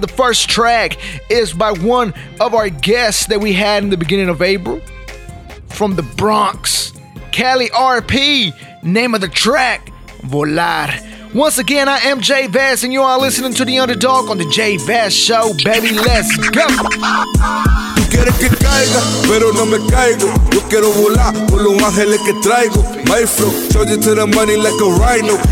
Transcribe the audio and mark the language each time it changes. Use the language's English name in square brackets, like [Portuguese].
[English] The first track is by one of our guests that we had in the beginning of April from the Bronx, Cali RP. Name of the track, Volar. Once again, I am Jay Vaz, and you are listening to The Underdog on The Jay Vaz Show. Baby, let's go. [Spanish] Quieres que caiga, pero no me caigo. Yo quiero volar con los ángeles que traigo. [English] My flow, charge it to the money like a rhino.